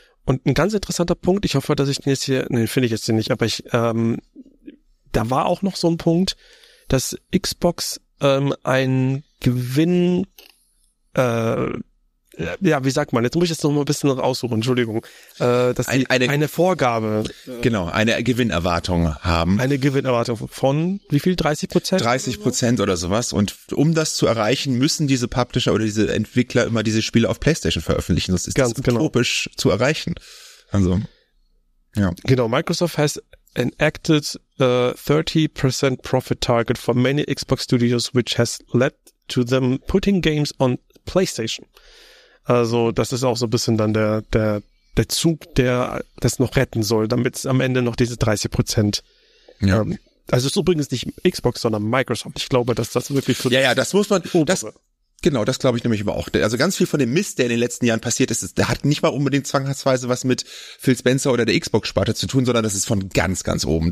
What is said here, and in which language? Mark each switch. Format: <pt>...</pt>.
<de>Und ein ganz interessanter Punkt, ich hoffe, dass ich den jetzt hier, nee, finde ich jetzt den nicht, aber ich, da war auch noch so ein Punkt, dass Xbox einen Gewinn, ja, wie sagt man, jetzt muss ich jetzt noch mal ein bisschen raussuchen, Entschuldigung, dass die eine Vorgabe. Genau, eine Gewinnerwartung haben. Eine Gewinnerwartung von wie viel, 30%? 30% oder sowas. Und um das zu erreichen, müssen diese Publisher oder diese Entwickler immer diese Spiele auf PlayStation veröffentlichen. Das ist ganz utopisch zu erreichen. Also, ja.</de> <en>Genau, Microsoft has enacted a 30% profit target for many Xbox Studios, which has led to them putting games on PlayStation.</en> <de>Also das ist auch so ein bisschen dann der Zug, der das noch retten soll, damit es am Ende noch diese 30%. Ja. Also es ist übrigens nicht Xbox, sondern Microsoft. Ich glaube, dass das wirklich so. Ja, das muss man. Genau, das glaube ich nämlich aber auch. Also ganz viel von dem Mist, der in den letzten Jahren passiert ist, der hat nicht mal unbedingt zwangsweise was mit Phil Spencer oder der Xbox-Sparte zu tun, sondern das ist von ganz, ganz oben.</de>